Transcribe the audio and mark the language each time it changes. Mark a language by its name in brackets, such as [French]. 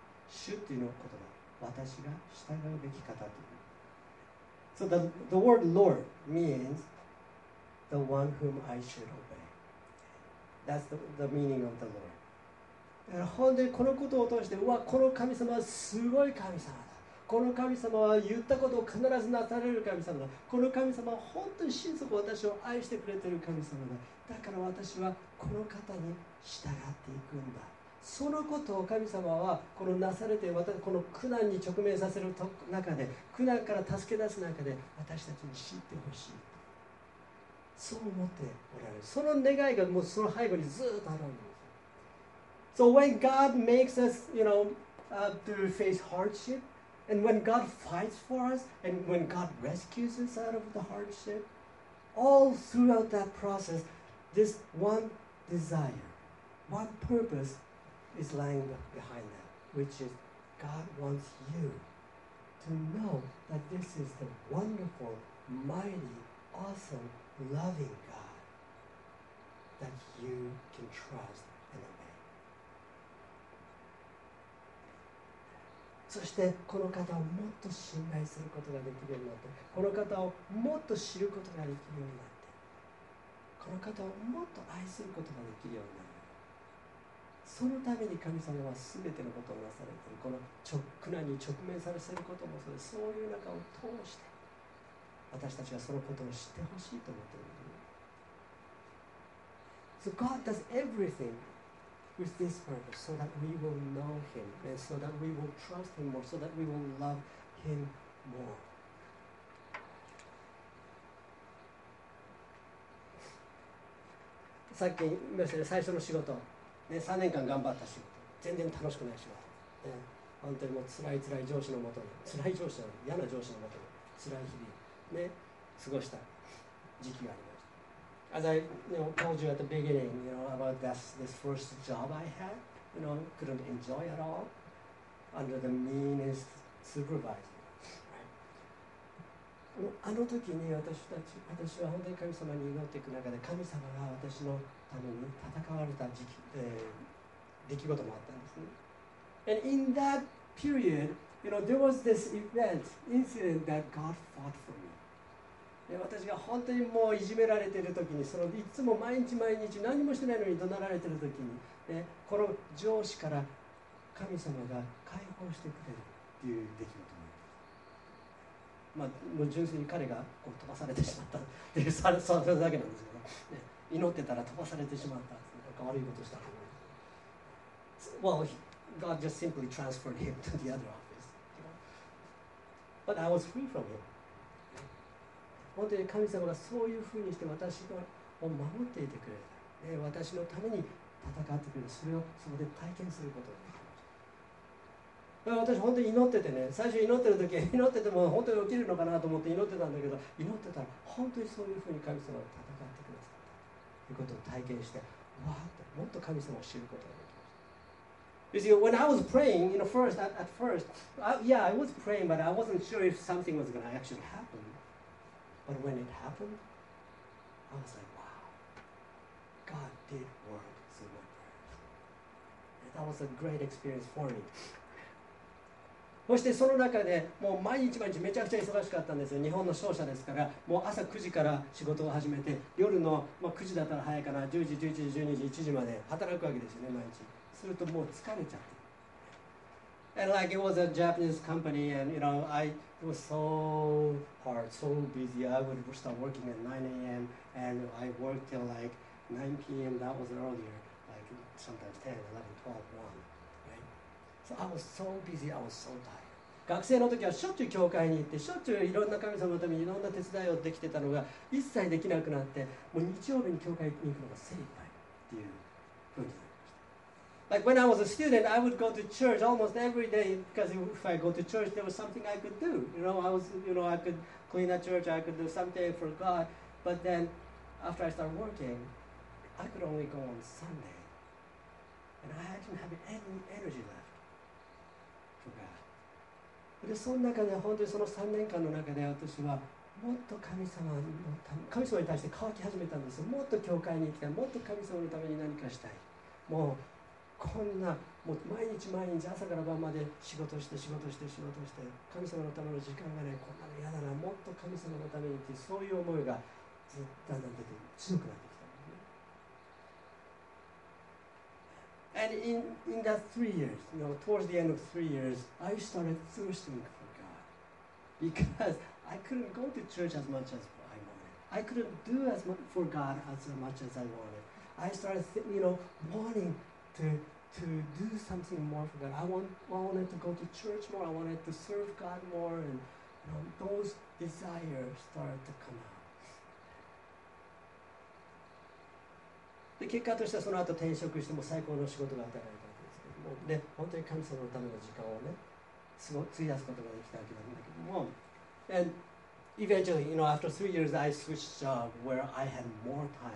[Japanese] 主っていうの言葉、私が従うべき方っていう。 [English] So the word Lord means the one whom I should obey. That's the meaning of the Lord. [Japanese] だから本当にこのことを通して、うわ、この神様はすごい神様だ。この神様は言ったことを必ずなされる神様だ。この神様は本当に心底私を愛してくれている神様だ。だから私はこの方に従っていくんだ。そのことを神様はこのなされて、私この苦難に直面させる中で、苦難から助け出す中で私たちに知ってほしい。そう思っておられる。その願いがもうその背後にずっとあるんです。 [English] So when God makes us, you know, to face hardship, and when God fights for us, and when God rescues us out of the hardship, all throughout that process, this one desire, one purpose is lying behind that, which is God wants you to know that this is the wonderful, mighty, awesome,Loving God that you can trust and obey. [Japanese] そしてこの方をもっと信頼することができるようになって、この方をもっと知ることができるようになって、この方をもっと愛することができるようになる。そのために神様は全てのことをなされている。この苦難に直面させることもそうです。そういう中を通して私たちはそのことを知ってほしいと思っている。 [English] So God does everything with this purpose, so that we will know Him, and so that we will trust Him more, so that we will love Him more. [Japanese] さっき言いましたね、最初の仕事、ね、3年間頑張った仕事、全然楽しくない仕事、ね、本当にもう辛い辛い上司のもとに、辛い上司の、嫌な上司のもとに、辛い日々。ね、過ごした時期がありました。 [English] As I you know, told you at the beginning, you know, about this first job I had, you know, couldn't enjoy at all under the meanest supervisor. [Japanese] あの時に私は本当に神様に祈っていく中で、神様が私のために戦われた時期、出来事もあったんですね。 [English] And in that period, you know, there was this event, incident that God fought for me. [Japanese] 私が本当にもういじめられているときに、そのいつも毎日毎日何もしてないのに怒鳴られているときに、ね、この上司から神様が解放してくれるっていう出来事もあります。まあ、もう純粋に彼がこう飛ばされてしまったっていうそれだけなんですけど、ね、祈ってたら飛ばされてしまったなんか悪いことしたと思います。 [English] well, God just simply transferred him to the other office. But I was free from him. [Japanese] 本当に神様がそういうふうにして私を守っていてくれた、ね、私のために戦ってくれた、それをそこで体験することができました。だから私本当に祈っててね、最初祈ってる時は祈ってても本当に起きるのかなと思って祈ってたんだけど、祈ってたら本当にそういうふうに神様が戦ってくれたということを体験して、わーってもっと神様を知ることができました。 [English] You see, when I was praying, you know, first, I was praying, but I wasn't sure if something was going to actually happen. But when it happened, I was like, wow, God did work through my prayers. And that was a great experience for me. [Japanese] そしてその中でもう毎日毎日めちゃくちゃ忙しかったんですよ。日本の商社ですから、もう朝9時から仕事を始めて、夜の、まあ、9時だったら早いかな、10時、11時、12時、1時まで働くわけですよね、毎日。するともう疲れちゃって。 [English] And like it was a Japanese company, and you know, I was so hard, so busy. I would start working at 9 a.m. and I worked till like 9 p.m. That was earlier, like sometimes 10, 11, 12, 1. Right? So I was so busy, I was so tired. [Japanese] 学生の時はしょっちゅう教会に行って、しょっちゅういろんな神様のためにいろんな手伝いをできてたのが一切できなくなって、もう日曜日に教会に行くのが精一杯っていう風に。 [English] Like when I was a student, I would go to church almost every day because if I go to church, there was something I could do. You know, I was, you know, I could clean a church, I could do something for God. But then, after I started working, I could only go on Sunday, and I didn't have any energy left for God. [Japanese] で、その中で本当にその3年間の中で私はもっと神様に対して乾き始めたんですよ。もっと教会に行きたい。もっと神様のために何かしたい。もうこんなもう毎日毎日朝から晩まで仕事して仕事して仕事して神様のための時間がね、こんなの嫌だな、もっと神様のためにっていう、そういう思いがずっと出て強くなってきた、 [English] ね、And in that 3 years, you know, towards the end of 3 years, I started thirsting for God because I couldn't go to church as much as I wanted. I couldn't do as much for God as much as I wanted. I started wanting to do something more for God. I wanted to go to church more. I wanted to serve God more. And you know, those desires started to come out. [Japanese] で、結果としてはその後転職しても最高の仕事が与えられたわけですけども、で、本当に神様のための時間をね、すごく費やすことができたわけなんだけども。 [English] And eventually, you know, after 3 years, I switched job where I had more time.